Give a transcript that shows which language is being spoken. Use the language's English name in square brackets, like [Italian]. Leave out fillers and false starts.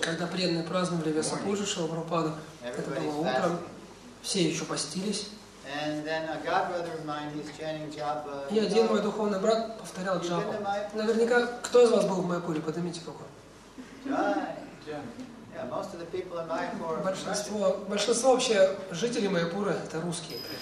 [Russian] Когда преданные праздновали Вьясапуджу Шрила Прабхупада, это было утром. Все еще постились. [English] And then a god brother of mine, he's chanting japa. [Russian] И один мой духовный брат повторял джапу. Наверняка, кто из вас был в Майяпуре? Поднимите руку. [English] Yeah, most of the people in Майяпуре. [Russian] Большинство вообще жителей Майяпура это русские.